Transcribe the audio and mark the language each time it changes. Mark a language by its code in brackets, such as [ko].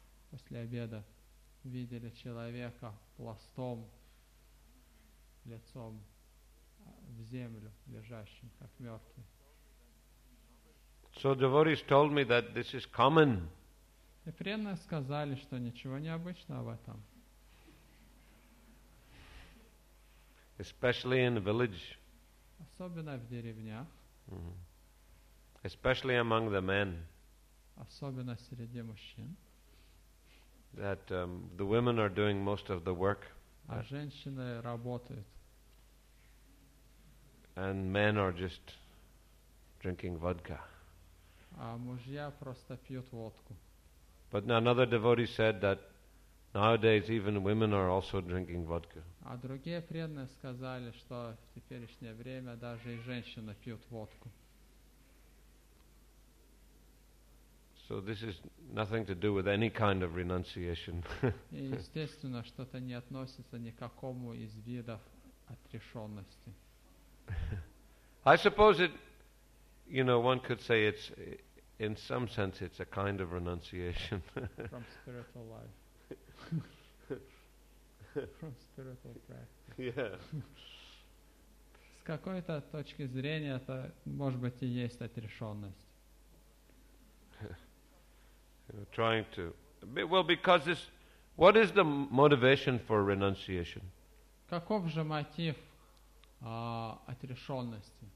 [ru] После обеда видели человека пластом, лицом в землю, лежащим, как мертвый. [en] So devotees told me that this is common. [ru] И преданные сказали, что ничего необычного в этом. [en] Especially in the village. [ru] Особенно в деревнях. [en] Especially among the men. [ru] Особенно среди мужчин. [en] That the women are doing most of the work. [ru] А женщины работают. [en] And men are just drinking vodka. [ru] А мужья просто пьют водку. [en] But another devotee said that nowadays even women are also drinking vodka. [ru] А другие преданные сказали, что в теперешнее время даже и женщины пьют водку. [en] So this is nothing to do with any kind of renunciation. [ru] Естественно, что-то не относится ни к какому из видов отрешенности. [en] I suppose it, you know, one could say it's, in some sense, it's a kind of renunciation. From spiritual life. From spiritual practice. Yeah. [ru] С какой-то точки зрения это, может быть, и есть отрешенность. [en] Trying to, well, because this, what is the motivation for renunciation? [ru] Каков же мотив отрешенности?